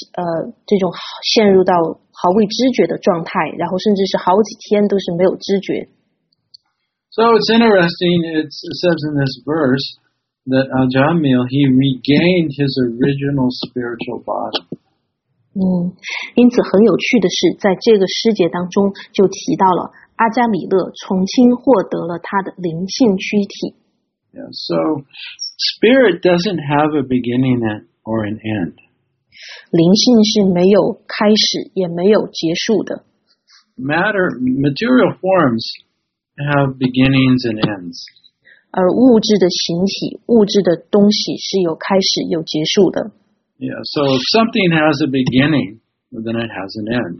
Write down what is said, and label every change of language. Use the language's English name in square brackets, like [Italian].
[Chinese] 所以说同样的这种状态也发生在主Chaitanya的身上，他有时也会就是完全这种陷入到。毫无知觉的状态，然后甚至是好几天都是没有知觉。 [English] So it's interesting, it says in this verse that Ajamil, he regained his original spiritual body. [Chinese] 因此很有趣的是，在这个诗节当中就提到了阿加米勒重新获得了他的灵性躯体。 [English] Yeah, so spirit doesn't have a beginning or an end. [Chinese] 灵性是没有开始，也没有结束的。 [English] Matter, material forms have beginnings and ends. [Chinese] 而物质的形体，物质的东西是有开始，有结束的。 [English] Yeah, so if something has a beginning, then it has an end.